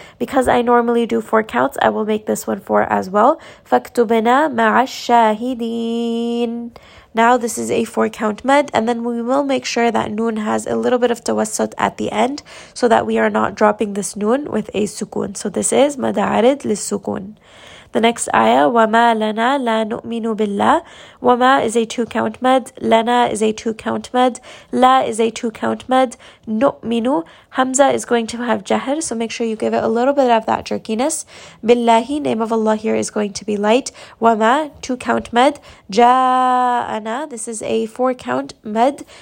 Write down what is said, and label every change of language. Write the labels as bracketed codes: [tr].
[en] Because I normally do 4 counts, I will make this one 4 as well. [ar] Faktubna ma'ash-shahideen. [en] Now this is a 4-count mad. And then we will make sure that noon has a little bit of tawassut at the end so that we are not dropping this noon with a sukun. So this is mad'arid lis-sukun. The next ayah, [ar] وَمَا لَنَا لَا نُؤْمِنُ بِاللَّهِ. [en] وَمَا is a 2-count mad. لَنَا is a 2-count mad. لَا is a 2-count mad. [ar] نُؤْمِنُ. [en] Hamza is going to have jahr, so make sure you give it a little bit of that jerkiness. بِاللَّهِ, name of Allah here is going to be light. وَمَا, 2-count mad. جَاءَنَا, this is a 4-count mad.